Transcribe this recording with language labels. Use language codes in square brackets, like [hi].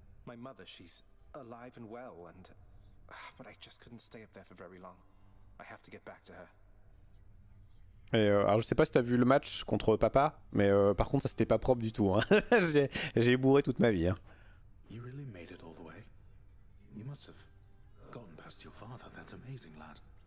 [en] My mother, she's alive and well and but I just couldn't stay up there for very long. I have to get back to her. [fr] Alors je sais pas si t'as vu le match contre papa, mais par contre ça c'était pas propre du tout hein. j'ai bourré toute ma vie hein. [en] You really made it all the way. You must have gotten past your father, that amazing lad.